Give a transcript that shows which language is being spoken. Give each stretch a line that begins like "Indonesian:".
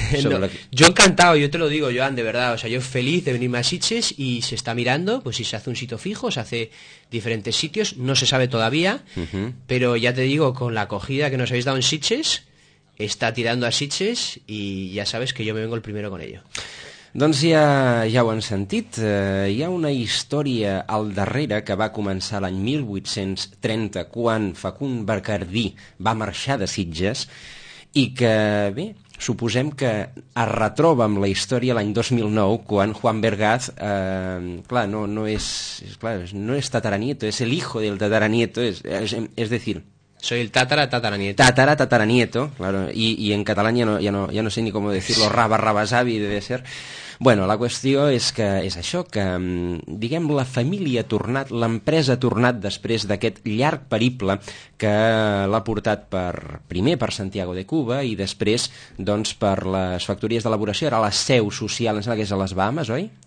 Spanish: No, yo encantado, yo te lo digo, Joan, de verdad. O sea, yo feliz de venirme a Sitges, y se está mirando, pues si se hace un sitio fijo, se hace diferentes sitios, no se sabe todavía, uh-huh. pero ya te digo, con la acogida que nos habéis dado en Sitges, está tirando a Sitges, y ya sabes que yo me vengo el primero con ello.
Catalan: Doncs ja ho han sentit, hi ha una història al darrere que va començar l'any 1830, quan Facund Bacardí va marxar de Sitges, i que, bé, suposem que es retroba amb la història l'any 2009, quan Juan Bergaz, clar, no és tataranieto, és
Spanish: el hijo del tataranieto,
Catalan: és decir...
Spanish: Soy el tatara tataranieto. Tatara tataranieto, claro, y en catalán ya no sé ni cómo decirlo, raba raba sabi debe ser.
Catalan: Bueno, la qüestió és que és això, que diguem la família ha tornat, l'empresa ha tornat després d'aquest llarg periple que l'ha portat primer per Santiago de Cuba i després doncs per les factories d'elaboració, era la seu social, em sembla que és a les Bahamas, oi?